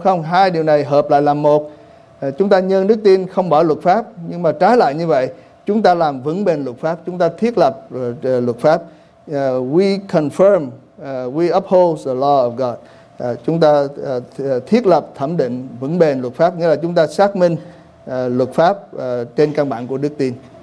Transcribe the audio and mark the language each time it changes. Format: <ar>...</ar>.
<vi>Không, hai điều này hợp lại làm một. Chúng ta nhân đức tin không bỏ luật pháp, nhưng mà trái lại như vậy, chúng ta làm vững bền luật pháp, chúng ta thiết lập luật pháp.</vi> <en>We confirm, we uphold the law of God.</en> <vi>Chúng ta thiết lập, thẩm định, vững bền luật pháp, nghĩa là chúng ta xác minh luật pháp trên căn bản của đức tin.</vi>